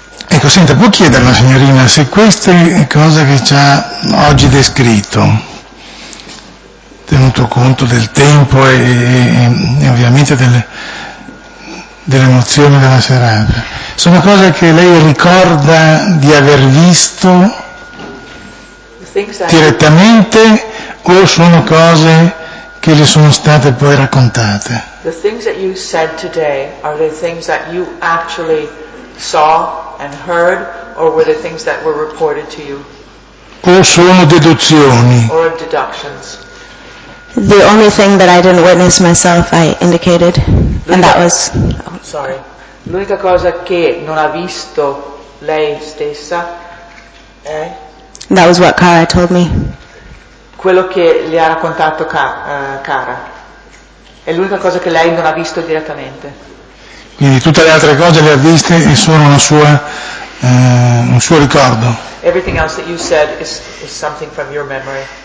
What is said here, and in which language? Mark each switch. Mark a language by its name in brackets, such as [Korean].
[Italian] Ecco, senta, può chiedere alla signorina se queste cose che ci ha oggi descritto, tenuto conto del tempo e ovviamente dell'emozione della serata, sono cose che lei ricorda di aver visto direttamente o sono cose che le sono state poi raccontate? [English] The things that you said today, are they things that you actually saw and heard, or were they things that were reported to you? [Italian] O sono deduzioni? [English] Or deductions? The only thing that I didn't witness myself, I indicated, and that was... Sorry. [Italian] L'unica cosa che non ha visto lei stessa è... [English] That was what Cara told me. [Italian] Quello che le ha raccontato Cara. È l'unica cosa che lei non ha visto direttamente. Quindi tutte le altre cose le ha viste e sono un suo ricordo. [English] Everything else that you said is something from your memory.